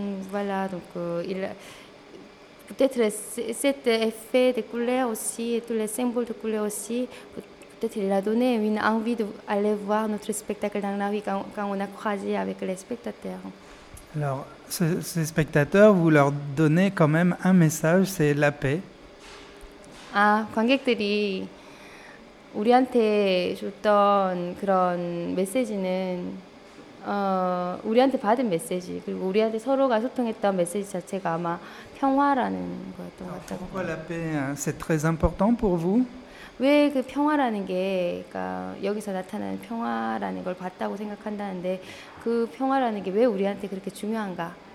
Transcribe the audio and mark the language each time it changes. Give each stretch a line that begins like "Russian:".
French: Voilà, donc peut-être cet effet de couleur aussi, et tous les symboles de couleur aussi, peut-être il a donné une envie d'aller voir notre spectacle dans la rue quand on a croisé avec les spectateurs. Alors, ces spectateurs, vous leur donnez quand même un message, c'est la paix.
Korean: Ah, 관객들이 우리한테 줬던 그런 메시지는 우리한테 받은 메시지 그리고 우리한테 서로가 소통했던 메시지 자체가 아마 평화라는 거였던 것 같아요.
French: Pourquoi la paix, c'est très important pour vous?
Korean: 왜 그 평화라는 게 그러니까 여기서 나타나는 평화라는 걸 봤다고 생각한다는데 그 평화라는 게 왜 우리한테 그렇게 중요한가?